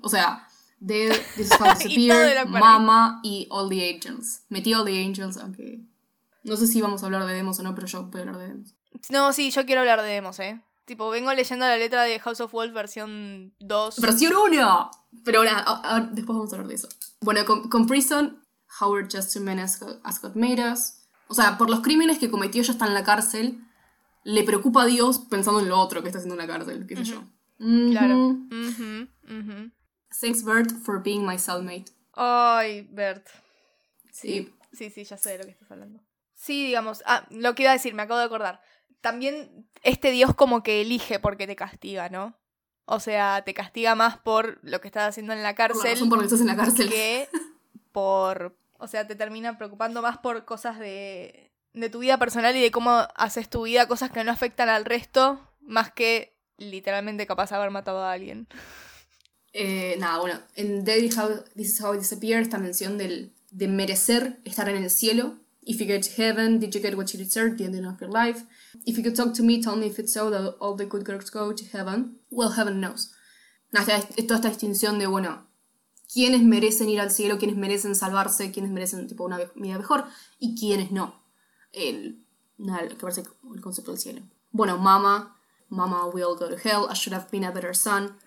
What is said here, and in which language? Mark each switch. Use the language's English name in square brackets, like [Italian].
[Spanish] O sea, Dead, This Is How to Disappear, Mama y All the Angels. Metí All the Angels, aunque... Okay. No sé si vamos a hablar de Demos o no, pero yo voy a hablar de Demos. No, sí, yo quiero hablar de Demos, ¿eh? Tipo, vengo leyendo la letra de House of Wolves versión 2. ¡Versión 1! Pero ahora, después vamos a hablar de eso. Bueno, con Prison, [English] How We're Just Two Men as God Made Us. [Spanish] O sea, por los crímenes que cometió ya está en la cárcel. Le preocupa a Dios pensando en lo otro que está haciendo en la cárcel, qué sé yo. Mm-hmm. Claro. Mm-hmm. [English] Thanks, Bert, for being my cellmate. [Spanish] Ay, Bert. Sí. Sí, sí, ya sé de lo que estás hablando. Sí, digamos. Ah, lo que iba a decir, me acabo de acordar. También este Dios como que elige porque te castiga, ¿no? O sea, te castiga más por lo que estás haciendo en la cárcel. Por la razón por la que estás en la cárcel. Que por... O sea, te termina preocupando más por cosas de tu vida personal y de cómo haces tu vida, cosas que no afectan al resto, más que literalmente capaz de haber matado a alguien. Nada, bueno. En Dead is How, This Is How It Disappears, esta mención de merecer estar en el cielo. [English] If you get to heaven, did you get what you deserved, the ending of your life? If you could talk to me, tell me if it's so that all the good girls go to heaven. Well, heaven knows. [Spanish] Toda esta distinción de, bueno, quiénes merecen ir al cielo, quiénes merecen salvarse, quiénes merecen tipo una vida mejor y quiénes no. Que parece el concepto del cielo. Bueno, mama, [English] we all go to hell. I should have been a better son.